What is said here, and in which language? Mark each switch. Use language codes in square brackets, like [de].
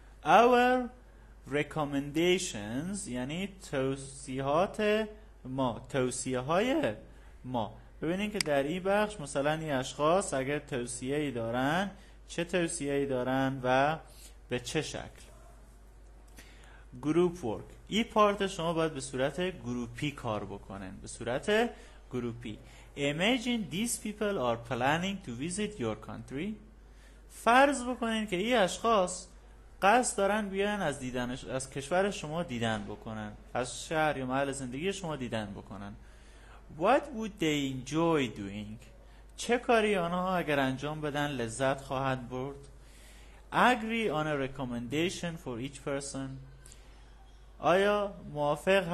[en] Our recommendations [fa] یعنی توصیهات ما، توصیه های ما. ببینین که در این بخش مثلا این اشخاص اگر توصیه ای دارن چه توصیه ای دارن و به چه شکل. گروپ ورک، این پارت شما باید به صورت گروپی کار بکنن، به صورت گروپی. [en] Imagine these people are planning to visit your country. [fa] فرض بکنین که این اشخاص قصد دارن بیان از دیدنش از کشور شما دیدن بکنن، از شهر یا محل زندگی شما دیدن بکنن. [en] What would they enjoy doing? [fa] چه کاری آنها اگر انجام بدن لذت خواهد برد؟ [en] Agree on a recommendation for each person. [fa] آیا موافق هست؟